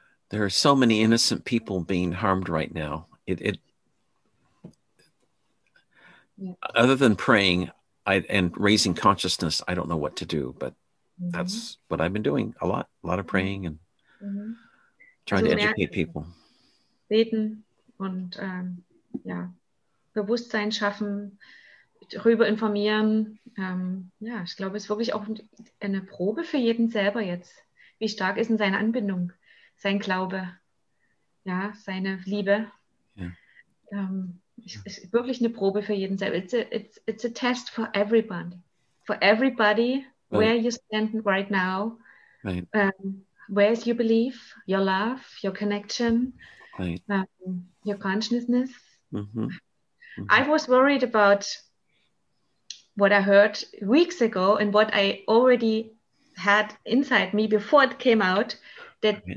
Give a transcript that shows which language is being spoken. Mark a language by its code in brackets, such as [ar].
[en] There are so many innocent people being harmed right now. It other than praying and raising consciousness, I don't know what to do, but mm-hmm. that's what I've been doing a lot of praying and mm-hmm. trying to educate people. [de] Beten und ja, Bewusstsein schaffen, darüber informieren. Ja, ich glaube, es ist wirklich auch eine Probe für jeden selber jetzt. Wie stark ist denn seine Anbindung, sein Glaube, ja, seine Liebe? Ja. Es ist wirklich eine Probe für jeden selber. [en] It's a test for everybody. For everybody, right. Where you stand right now. Right. Where is your belief, your love, your connection, right. Your consciousness. Mm-hmm. Mm-hmm. I was worried about what I heard weeks ago and what I already had inside me before it came out, that right.